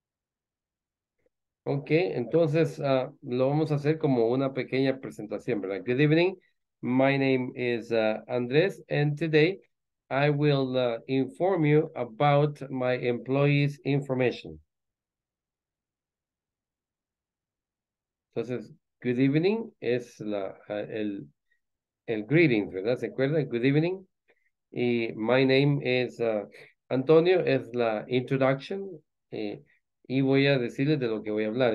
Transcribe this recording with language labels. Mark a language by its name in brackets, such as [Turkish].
[English] Okay. [Spanish] Okay, entonces lo vamos a hacer como una pequeña presentación, ¿verdad? [English] Good evening. My name is Andres, and today I will inform you about my employees' information. [Spanish] Entonces, good evening es la, el greeting, ¿verdad? ¿Se acuerdan? [English] Good evening. [Spanish] Y my name is Antonio, es la introduction. Y voy a decirles de lo que voy a hablar.